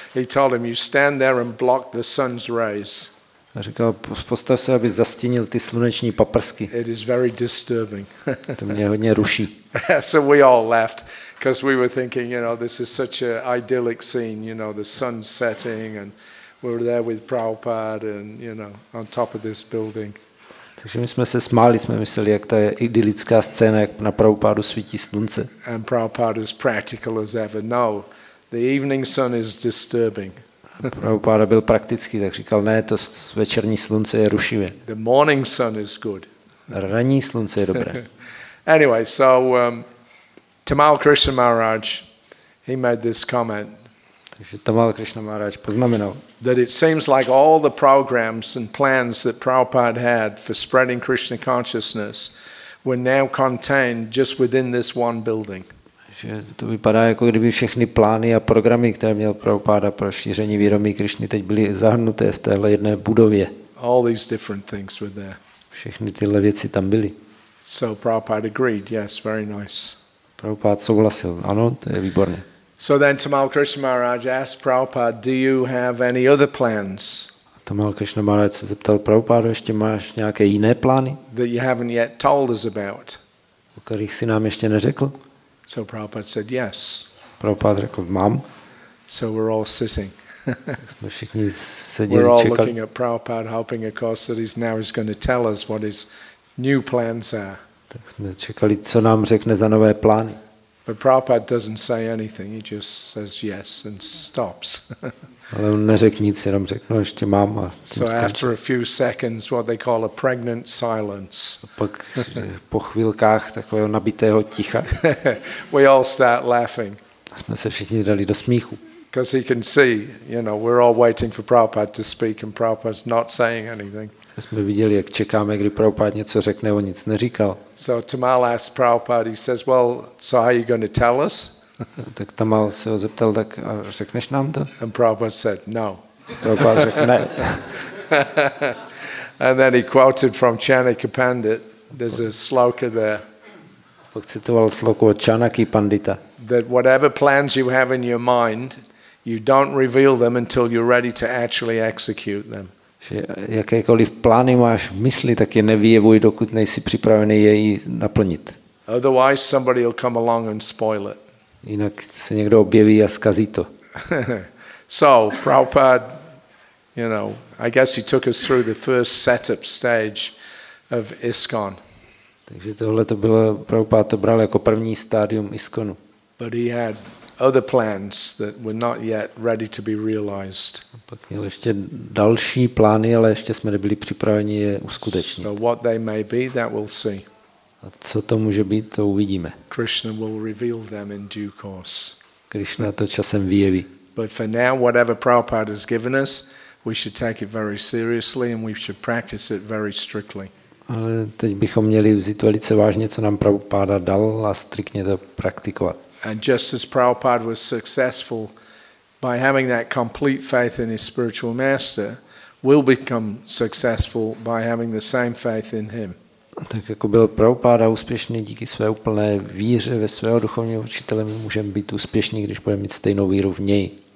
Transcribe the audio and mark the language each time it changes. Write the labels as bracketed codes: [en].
[en] he told him, you stand there and block the sun's rays. [cs] A říkal, postav se, aby zastínil ty sluneční paprsky. [en] It is very disturbing. [cs] To mě hodně ruší. [en] So we all left because we were thinking, you know, this is such an idyllic scene, you know, the sun setting and we were there with Prabhupada and, you know, on top of this building. [cs] Takže my jsme se smáli, jsme mysleli, jak ta je idylická scéna, jak na Prabhupádu svítí slunce. [en] And Prabhupada is practical as ever. No, the evening sun is disturbing. [cs] Prabhupada byl praktický, tak říkal, ne, to večerní slunce je rušivé. [en] The morning sun is good. [cs] Ranní slunce je dobré. [en] Anyway, so Tamal Krishna Maharaj, he made this comment. [cs] Takže Tamal Krishna Maharaj poznamenal. [en] That it seems like all the programs and plans that Prabhupada had for spreading Krishna consciousness were now contained just within this one building. [cs] Že to vypadá, jako kdyby všechny plány a programy, které měl Prabhupada pro šíření vědomí Krišny, teď byly zahrnuté v téhle jedné budově. [en] All these different things were there. [cs] Všechny tyhle věci tam byly. [en] So Prabhupada agreed, yes, very nice. [cs] Prabhupada souhlasil, ano, to je výborné. [en] So then Tamal Krishna Maharaj asked Prabhupada, do you have any other plans? [cs] Tamal Krishna Maharaj se zeptal Prabhupada, ještě máš nějaké jiné plány? [en] That you haven't yet told us about. [cs] O kterých jsi nám ještě neřekl? [en] So Prabhupada said yes. [cs] Prabhupada řekl, mám. [en] So we're all sitting. We're all looking at Prabhupada hopping of course that he's now he's going to tell us what his new plans are. [cs] Tak jsme čekali, co nám řekne za nové plány. [en] But Prabhupada doesn't say anything, he just says yes and stops. [cs] Ale on neřekl nic, jenom řekl, no ještě mám a tím skončí. [en] After a few seconds, what they call a pregnant silence. [cs] Pak po chvilkách takového nabitého ticha. [en] We all start laughing. [cs] Jsme se všichni dali do smíchu. [en] Because he can see, you know, we're all waiting for Prabhupada to speak and Prabhupada's not saying anything. [cs] Jsme viděli, jak čekáme, kdy Prabhupada něco řekne, on nic neříkal. [en] So Tamal asked Prabhupada, he says, well, so how are you going to tell us? [cs] Tak Tamal se ho zeptal, tak a řekneš nám to? [en] And Prabhupada said, no. [cs] Prabhupada řekl, ne. [en] And then he quoted from Chanakya Pandit, there's a sloka there. [cs] Pak citoval sloku od Chanakya Pandita. [en] That whatever plans you have in your mind, you don't reveal them until you're ready to actually execute them. [cs] Že jakékoliv plány máš v mysli, tak je nevyjevuj, dokud nejsi připravený je jí naplnit. [en] Otherwise somebody will come along and spoil it. [cs] Jinak se někdo objeví a zkazí to. [en] So, Prabhupada, you know, I guess he took us through the first setup stage of ISKCON. [cs] Takže tohle to bylo, Prabhupada to bral jako první stádium ISKCONu. [en] But he had other plans that were not yet ready to be realized. [cs] Pak měl ještě další plány, ale ještě jsme nebyli připraveni je uskutečnit. [en] So what they may be, that we'll see. [cs] A co to může být, to uvidíme. [en] Krishna will reveal them in due course. [cs] Krishna to časem vyjeví. [en] But for now, whatever Prabhupada has given us, we should take it very seriously and we should practice it very strictly. [cs] Ale teď bychom měli vzít velice vážně, co nám Prabhupada dal a striktně to praktikovat. [en] And just as Prabhupada was successful by having that complete faith in his spiritual master, we'll become successful by having the same faith in him. [cs] Tak jako byl Prabhupada úspěšný díky své úplné víře ve svého duchovního učitele, my můžeme být úspěšní, když budeme mít stejnou víru v něj.